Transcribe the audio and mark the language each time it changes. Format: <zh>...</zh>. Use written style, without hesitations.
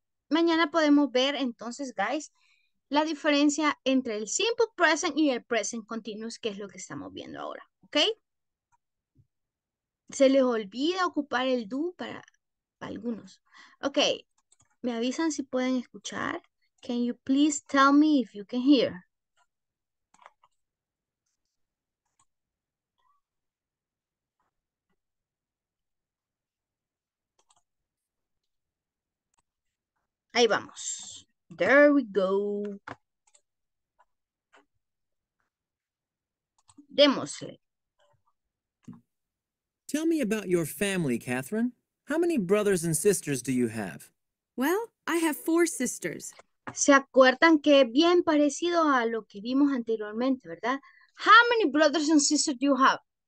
<es>Mañana podemos ver entonces, guys, la diferencia entre el simple present y el present continuous, que es lo que estamos viendo ahora. ¿Ok? Se les olvida ocupar el do para algunos. ¿Ok? Me avisan si pueden escuchar.</es> <en>Can you please tell me if you can hear?</en> <es>Ahí vamos.</es> <en>There we go.</en> <es>Démosle.</es> <en>Tell me about your family, Catherine. How many brothers and sisters do you have? Well, I have 4 sisters.</en> <es>¿Se acuerdan que es bien parecido a lo que vimos anteriormente, verdad?</es> <en>How many brothers and sisters do you have?</en>